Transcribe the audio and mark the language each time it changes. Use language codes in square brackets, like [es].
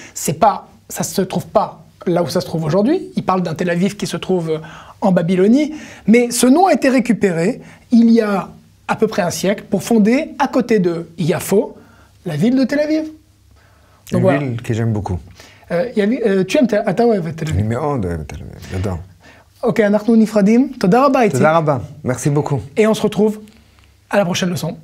[fr] Ça se trouve pas là où ça se trouve aujourd'hui. Il parle d'un Tel Aviv qui se trouve en Babylonie. Mais ce nom a été récupéré il y a à peu près un siècle pour fonder, à côté de Yafo, la ville de Tel Aviv. Donc, ville que j'aime beaucoup. Tu aimes Tel Aviv. Mais on aime Tel Aviv, j'adore. [he] Ok, אנחנו נפרדים. תודה רבה, איתי. תודה רבה. [fr] Merci beaucoup. Et on se retrouve à la prochaine leçon.